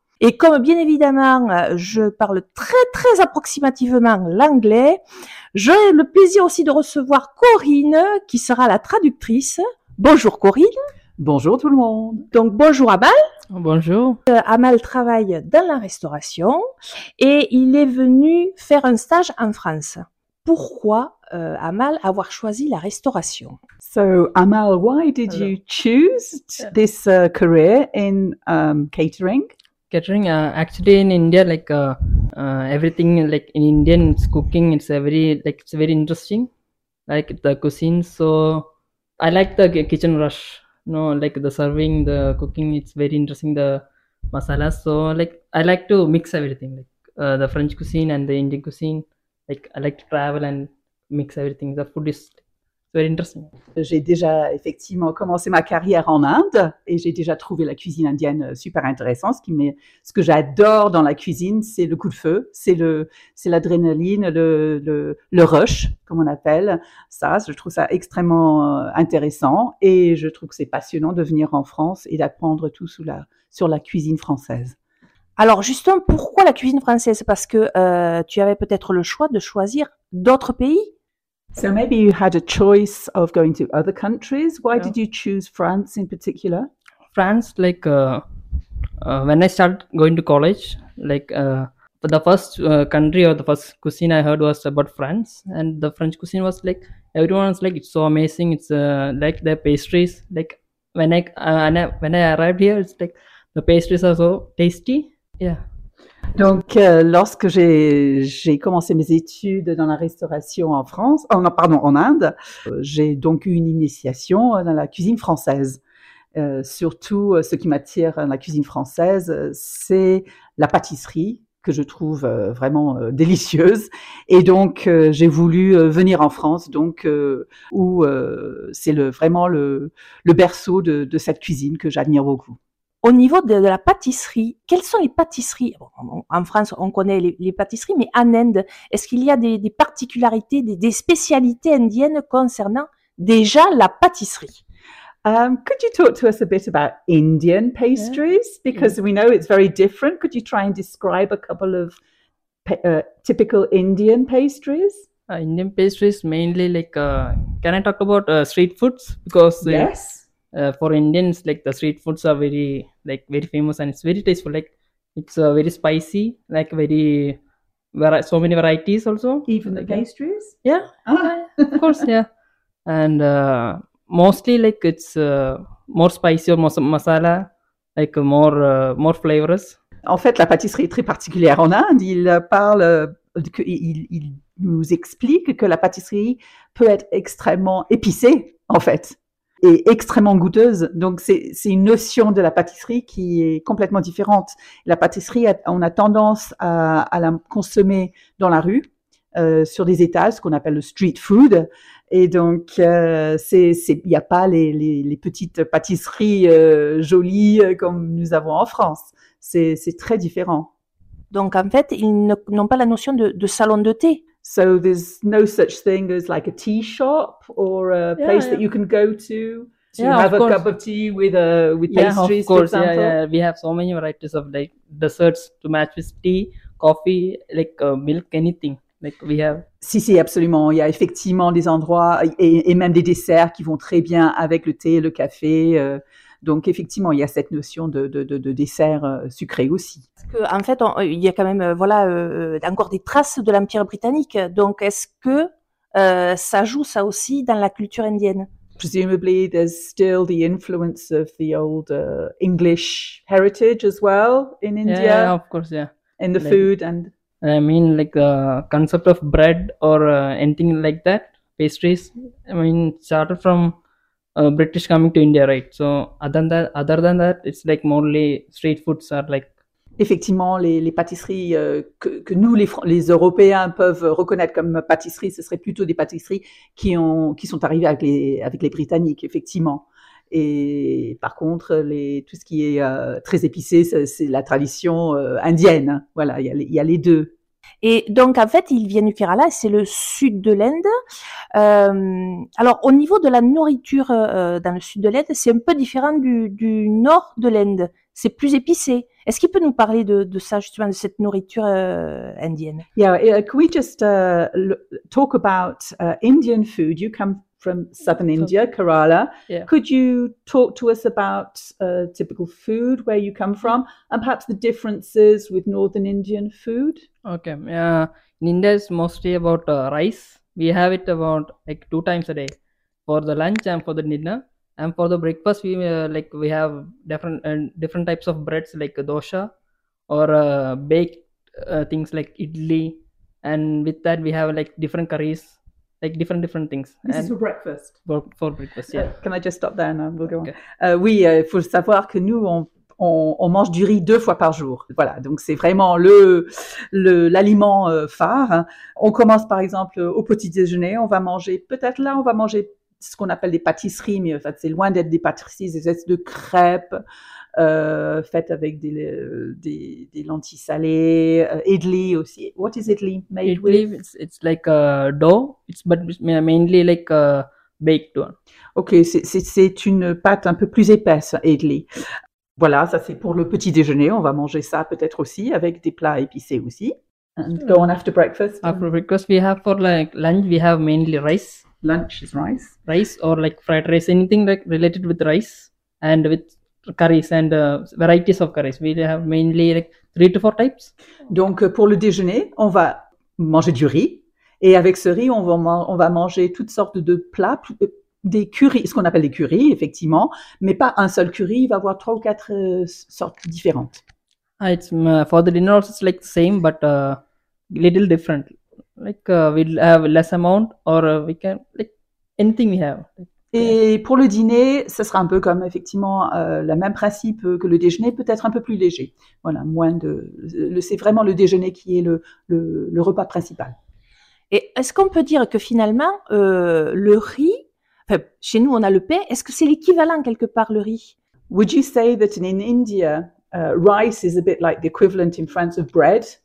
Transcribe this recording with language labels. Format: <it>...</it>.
<fr>Et comme bien évidemment je parle très très approximativement l'anglais, j'ai le plaisir aussi de recevoir Corinne qui sera la traductrice. Bonjour Corinne. Bonjour tout le monde. Donc bonjour Amal. Bonjour. Amal travaille dans la restauration et il est venu faire un stage en France. Pourquoi Amal avoir choisi la restauration?</fr> <en>So Amal, why did you choose this career in catering? Catering, actually in India, everything like in Indian cooking, it's very interesting, like the cuisine. So I like the kitchen rush. No, like the serving, the cooking, it's very interesting, the masalas. So like, I like to mix everything, the French cuisine and the Indian cuisine. Like, I like to travel and mix everything. The food is very interesting.</en> <fr>J'ai déjà effectivement commencé ma carrière en Inde et j'ai déjà trouvé la cuisine indienne super intéressante. Ce que j'adore dans la cuisine, c'est le coup de feu, c'est l'adrénaline, le rush, comme on appelle ça. Je trouve ça extrêmement intéressant et je trouve que c'est passionnant de venir en France et d'apprendre tout sur la cuisine française. Alors justement, pourquoi la cuisine française? Parce que tu avais peut-être le choix de choisir d'autres pays.</fr> <en>So maybe you had a choice of going to other countries. Why did you choose France in particular? France, when I started going to college, the first country or the first cuisine I heard was about France. And the French cuisine was everyone was it's so amazing. It's their pastries. When I arrived here, it's the pastries are so tasty. Yeah.</en> <fr>Donc, lorsque j'ai commencé mes études dans la restauration en France, en Inde, j'ai donc eu une initiation dans la cuisine française. Surtout, ce qui m'attire dans la cuisine française, c'est la pâtisserie que je trouve vraiment délicieuse. Et donc, j'ai voulu venir en France, donc où c'est vraiment le berceau de cette cuisine que j'admire beaucoup. Au niveau de la pâtisserie, quelles sont les pâtisseries? En France, on connaît les pâtisseries, mais en Inde, est-ce qu'il y a des particularités, des spécialités indiennes concernant déjà la pâtisserie?</fr> <en>Could you talk to us a bit about Indian pastries? Yeah. Because we know it's very different. Could you try and describe a couple of typical Indian pastries? Indian pastries, mainly can I talk about street foods? Because yes. For Indians, the street foods are very, very famous and it's very tasteful. It's very spicy, so many varieties also. Even the pastries? Yeah. Of course, yeah. And mostly, it's more spicy or more masala, more flavorous.</en> <fr>En fait, la pâtisserie est très particulière en Inde. Il nous explique que la pâtisserie peut être extrêmement épicée, en fait. Et extrêmement goûteuse. Donc, c'est une notion de la pâtisserie qui est complètement différente. La pâtisserie, on a tendance à la consommer dans la rue, sur des étals, ce qu'on appelle le street food. Et donc, il n'y a pas les petites pâtisseries jolies comme nous avons en France. C'est très différent. Donc, en fait, ils n'ont pas la notion de salon de thé.</fr> <en>So there's no such thing as a tea shop or a place that you can go to have a cup of tea with pastries, of course, for example. Yeah. We have so many varieties of desserts to match with tea, coffee, milk, anything. We have.</en> <fr>Si, si, absolument. Il y a effectivement des endroits et même des desserts qui vont très bien avec le thé, le café. Donc effectivement, il y a cette notion de dessert sucré aussi. Parce que, en fait, il y a quand même voilà, encore des traces de l'Empire britannique. Donc est-ce que ça joue ça aussi dans la culture indienne ?</fr> <en>Presumably, there's still the influence of the old English heritage as well in India. Yeah, of course, yeah. In the food and... I mean, like the concept of bread or anything like that, pastries, I mean, started from British coming to India, right? So other than that, it's like more like street foods are like...</en> <fr>Effectivement, les pâtisseries que nous, les Européens, peuvent reconnaître comme pâtisseries, ce seraient plutôt des pâtisseries qui sont arrivées avec les Britanniques, effectivement. Et par contre, tout ce qui est très épicé, c'est la tradition indienne. Voilà, il y a les deux. Et donc, en fait, ils viennent du Kerala, c'est le sud de l'Inde. Alors, au niveau de la nourriture dans le sud de l'Inde, c'est un peu différent du nord de l'Inde. C'est plus épicé. Est-ce qu'il peut nous parler de ça, justement, de cette nourriture indienne?</fr> <en>Yeah, can we just talk about Indian food? You come from southern India, Kerala. Yeah. Could you talk to us about typical food, where you come from, and perhaps the differences with northern Indian food? Okay. In India, it's mostly about rice. We have it about like two times a day, for the lunch and for the dinner. And for the breakfast, we have different types of breads like dosa or baked things like idli. And with that, we have like different curries, like different things. This is for breakfast. For breakfast, yeah. Can I just stop there and we'll go on?</en> <fr>Oui, il faut savoir que nous, on mange du riz deux fois par jour. Voilà, donc c'est vraiment l'aliment phare. On commence par exemple au petit déjeuner. On va manger, peut-être là, on va manger... ce qu'on appelle des pâtisseries, mais en fait, c'est loin d'être des pâtisseries, des espèces de crêpes faites avec des lentilles salées, idli aussi.</fr> <en>What is idli made idli, with? It's like a dough, but mainly like a baked one.</en> <fr>Ok, c'est une pâte un peu plus épaisse, idli. Voilà, ça c'est pour le petit déjeuner, on va manger ça peut-être aussi, avec des plats épicés aussi.</fr> <en>And go on after breakfast. After breakfast, we have for like lunch, we have mainly rice. Lunch is rice. Rice or like fried rice, anything like related with rice and with curries and varieties of curries. We have mainly like 3 to 4 types.</en> <fr>Donc pour le déjeuner, on va manger du riz et avec ce riz, on va manger toutes sortes de plats, des curries, ce qu'on appelle des curries, effectivement, mais pas un seul curry, il va avoir 3 ou 4 sortes différentes.</fr> <en>It's for the dinner also it's like the same but a little different. Like we'll have less amount or we can like anything we have.</en> <fr>Et pour le dîner, ça sera un peu comme effectivement le même principe que le déjeuner, peut-être un peu plus léger. Voilà, moins de c'est vraiment le déjeuner qui est le repas principal. Et est-ce qu'on peut dire que finalement le riz, enfin, chez nous on a le pain, est-ce que c'est l'équivalent quelque part le riz?</fr> <en>Would you say that in India rice is a bit like the equivalent in France of bread?</en>